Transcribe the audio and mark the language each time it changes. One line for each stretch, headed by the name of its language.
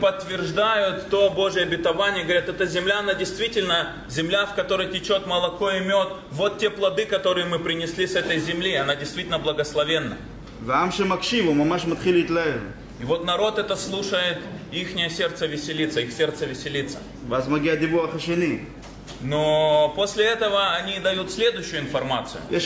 Russian: подтверждают то Божие обетование, говорят, эта земля, она действительно земля, в которой течет молоко и мед. Вот те плоды, которые мы принесли с этой земли, она действительно благословенна.
Hebrew: והעם שמקשיב, הוא ממש מתחיל להתלהב.
Russian: И вот народ это слушает, ихнее сердце веселится, их сердце веселится.
Hebrew: ואז מגיע דיווח השני.
Russian: Но после этого они дают следующую информацию.